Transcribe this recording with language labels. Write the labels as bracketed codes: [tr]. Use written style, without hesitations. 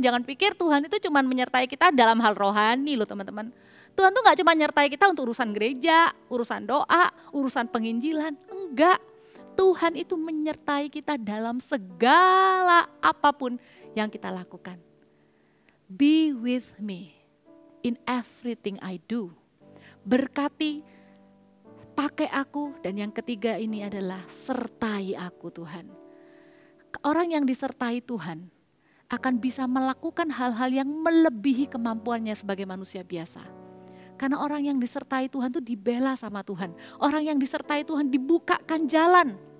[id] Jangan pikir Tuhan itu cuma menyertai kita dalam hal rohani loh teman-teman. Tuhan tuh gak cuma menyertai kita untuk urusan gereja, urusan doa, urusan penginjilan. Enggak, Tuhan itu menyertai kita dalam segala apapun yang kita lakukan. [en] Be with me in everything I do. [id] Berkati, pakai aku, dan yang ketiga ini adalah sertai aku Tuhan. Orang yang disertai Tuhan akan bisa melakukan hal-hal yang melebihi kemampuannya sebagai manusia biasa. Karena orang yang disertai Tuhan itu dibela sama Tuhan. Orang yang disertai Tuhan dibukakan jalan.